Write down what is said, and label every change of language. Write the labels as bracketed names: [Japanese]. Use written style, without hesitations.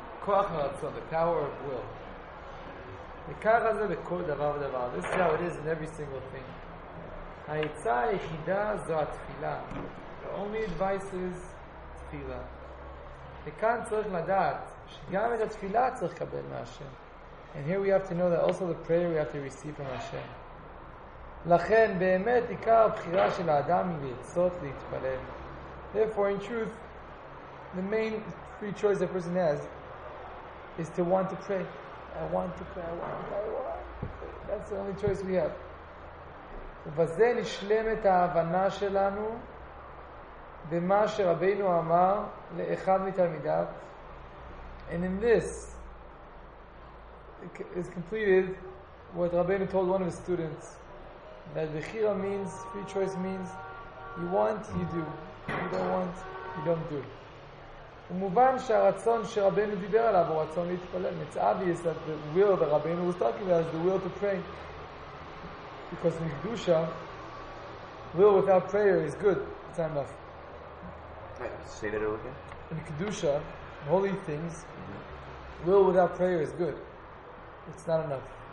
[Hebrew] הכוח מרצון, [English] the power of will. [Hebrew] וככה זה בכל דבר ודבר. [English] This is how it is in every single thing. [Hebrew] העצה היחידה זו התפילה. [English] The only advice is תפילה. [Hebrew] וכאן צריך לדעת שגם את התפילה צריך לקבל מהשם. [English] And here we have to know that also the prayer we have to receive from Hashem. [Hebrew] לכן באמת עיקר הבחירה של האדם היא לרצות להתפלל. [English] Therefore, in truth, the main free choice a person has is to want to pray. I want to pray. That's the only choice we have. [Hebrew] ובזה נשלם את ההבנה שלנו במה שרבינו אמר לאחד מתלמידיו. [English] And in this is completed what Rabbeinu told one of his students, that bechira means, free choice means, you want, you do. You don't want, you don't do. [Hebrew] ומובן שהרצון שרבינו דיבר עליו הוא רצון להתפלל. [English] It's obvious that the will that Rabbeinu was talking about is the will to pray. Because in Kedusha, will without prayer is good. It's not enough. Say that again. In Kedusha, in holy things, will without prayer is good. It's not enough.